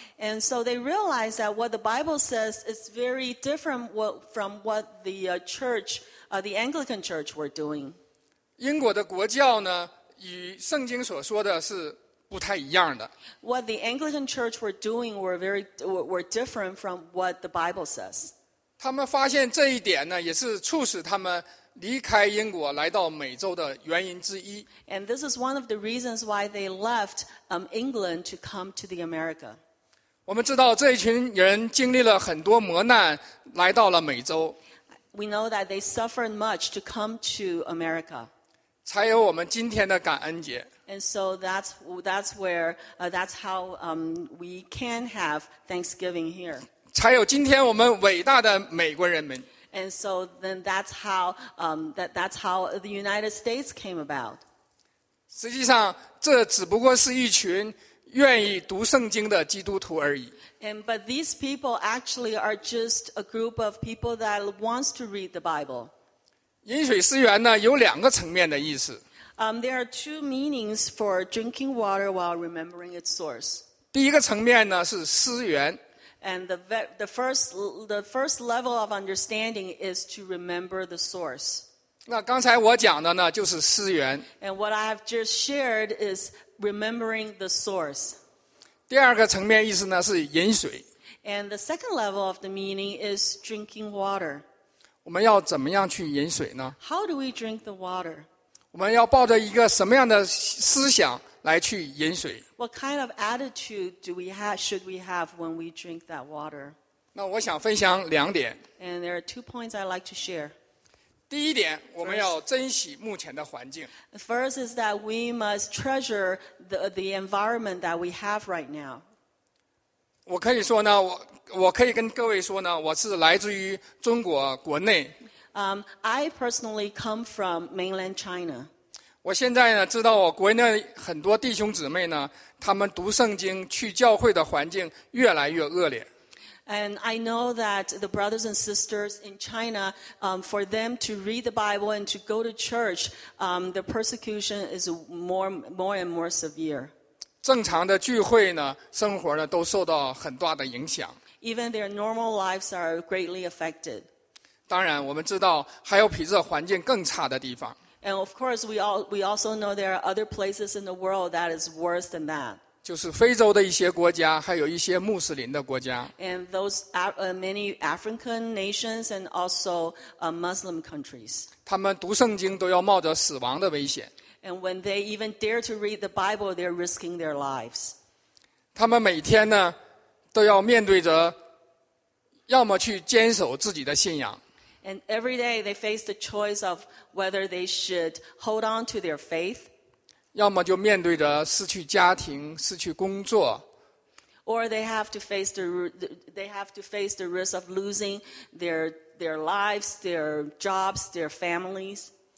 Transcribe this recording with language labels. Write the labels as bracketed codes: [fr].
[en] And so they realize that what the Bible says is very different from what the Anglican Church were doing. [zh] 英国的国教呢与圣经所说的是不太一样的。 [en] What the Anglican Church were doing were different from what the Bible says. [zh] 他们发现这一点呢，也是促使他们离开英国来到美洲的原因之一。 [en] And this is one of the reasons why they left England to come to the America. [zh] 我们知道这一群人经历了很多磨难，来到了美洲。 [en] We know that they suffered much to come to America. [zh] 才有我们今天的感恩节。 [en] And so that's how we can have Thanksgiving here. [zh] 才有今天我们伟大的美国人们。 [en] And so then that's how the United States came about. [zh] 实际上，这只不过是一群愿意读圣经的基督徒而已。 [en] And but these people actually are just a group of people that wants to read the Bible. [zh] 饮水思源呢有两个层面的意思。 [en] There are two meanings for drinking water while remembering its source. [zh] 第一个层面呢是思源。 [en] And the first level of understanding is to remember the source. [zh] 那刚才我讲的呢就是思源。 [en] And what I have just shared is remembering the source. [zh] 第二个层面意思呢是饮水。 [en] And the second level of the meaning is drinking water. [zh] 我们要怎么样去饮水呢？ [en] How do we drink the water? [zh] 我们要抱着一个什么样的思想来去饮水？ [en] What kind of attitude should we have when we drink that water? [zh] 那我想分享两点。 [en] And there are two points I'd like to share. [zh] 第一点，我们要珍惜目前的环境。 [en] First is that we must treasure the environment that we have right now. [zh] 我可以说呢，我可以跟各位说呢，我是来自于中国国内。 [en] I personally come from mainland China. [zh] 我现在呢，知道我国内很多弟兄姊妹呢，他们读圣经去教会的环境越来越恶劣。 [en] And I know that the brothers and sisters in China, for them to read the Bible and to go to church, the persecution is more and more severe. [zh] 正常的聚会呢，生活呢都受到很大的影响。 [en] Even their normal lives are greatly affected. [zh] 当然，我们知道还有比这环境更差的地方。 [en] And of course, we also know there are other places in the world that is worse than that. [zh] 就是非洲的一些国家，还有一些穆斯林的国家。 [en] And those many African nations and also Muslim countries. [zh] 他们读圣经都要冒着死亡的危险。 [en] And when they even dare to read the Bible, they're risking their lives. [zh] 他们每天呢，都要面对着，要么去坚守自己的信仰。 [en] And every day they face the choice of whether they should hold on to their faith. [zh] 要么就面对着失去家庭，失去工作。 [en] Or they have to face the risk of losing their lives, their jobs, their families.